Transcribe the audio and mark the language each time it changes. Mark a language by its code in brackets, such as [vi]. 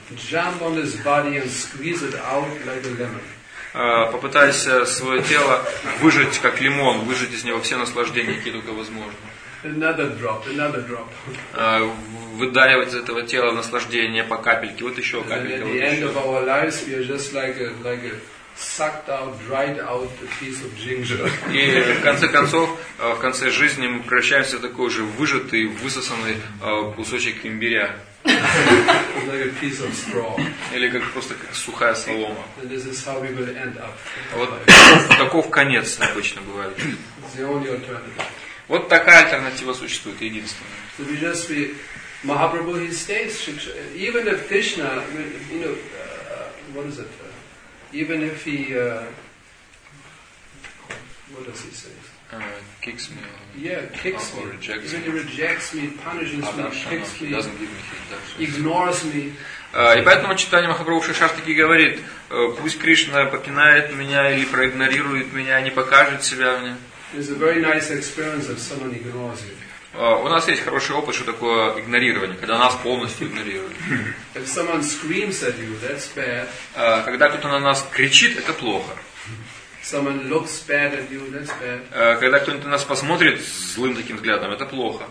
[en] Jump on this body and squeeze it out like a lemon. [ru] Попытайся свое тело выжать как лимон, выжать из него все наслаждения, какие только возможны. [en] Another drop. [ru] Выдаивать из этого тела наслаждение по капельке. Вот еще капелька. [en] At the end of our lives, we are just like a sucked out, dried out piece of ginger. [ru] И в конце концов, в конце жизни мы превращаемся в такой же выжатый, высосанный кусочек имбиря. [en] Like a piece of straw. [ru] Или как просто как сухая солома. [en] And this is how we will end up. [ru] Вот таков конец обычно бывает. [en] It's the only alternative. [ru] Вот такая альтернатива существует, единственная. [en] So we just be Mahaprabhu, he states, even if Krishna, you know, what is it? Even if he, what does he say? Kicks me. Yeah, kicks or me. Or rejects even Even he rejects me, punishes me, kicks me. Doesn't give me heat. Ignores me. [ru] И поэтому Чайтанья Махапрабху Шикшаштаки говорит, пусть Кришна попинает меня или проигнорирует меня, не покажет себя мне. [en] There's a very nice experience of someone ignores you. [ru] У нас есть хороший опыт, что такое игнорирование, когда нас полностью игнорируют. [en] If someone screams at you, that's bad. [ru] Когда кто-то на нас кричит, это плохо. [en] Someone looks bad at you, that's bad. [ru] Когда кто-нибудь на нас посмотрит злым таким взглядом, это плохо.